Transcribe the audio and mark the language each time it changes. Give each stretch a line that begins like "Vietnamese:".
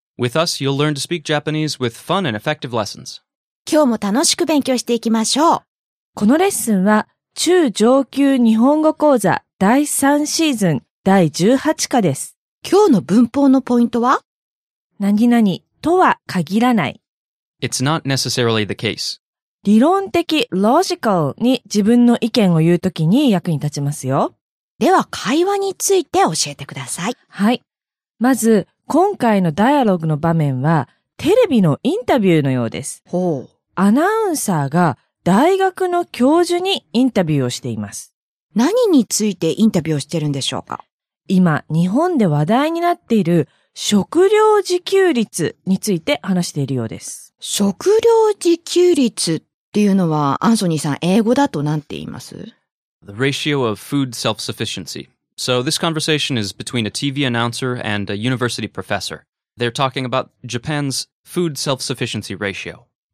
English: With us, you'll learn to speak Japanese with fun and effective lessons.
Japanese: 今日も楽しく勉強していきましょう。このレッスンは中上級日本語講座第3シーズン第18課です。今日の文法のポイントは何々とは限らない。
English: It's not necessarily the case.
Japanese: 理論的 logical に自分の意見を言うときに役に立ちますよ。では会話について教えてください。はい、まず今回のダイアログの場面はテレビのインタビューのようです。ほう。アナウンサーが大学の教授にインタビューをしています。何についてインタビューをしてるんでしょうか。今日本で話題になっている食料自給率について話しているようです。食料自給率っていうのはアンソニーさん、英語だと何て言います？
English: The ratio of food self-sufficiency. So this conversation is between a TV announcer and a university professor. They're talking about Japan's food self-sufficiency ratio.